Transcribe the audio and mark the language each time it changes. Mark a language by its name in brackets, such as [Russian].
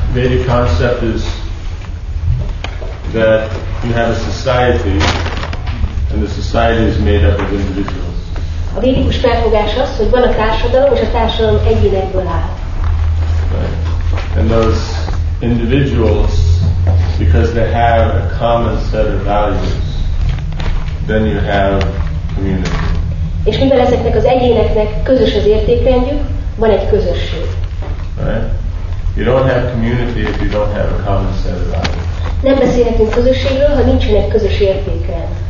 [English] Vedic concept is that you have a society, and the society is made up of individuals. [Hungarian] A védikus felfogás az, hogy van a társadalom, és a társadalom egyénekből áll. [English] Right. And those individuals, because they have a common set of values, then you have community. [Hungarian] És mivel ezeknek az egyéneknek közös az értékrendjük, van egy közösség. [English] Right? You don't have community if you don't have a common set of values. [Hungarian] Nem beszélhetünk közösségről, ha nincsenek közös értékrend.